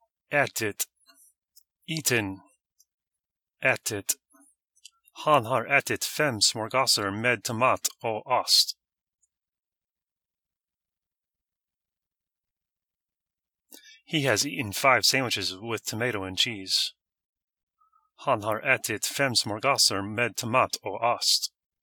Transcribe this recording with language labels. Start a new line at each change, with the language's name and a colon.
Swedish: Ätit.
English: Eaten.
Swedish: Ätit. Han har ätit fem smörgåsar med tomat och ost.
English: He has eaten five sandwiches with tomato and cheese.
Swedish: Han har ätit fem smörgåsar med tomat och ost.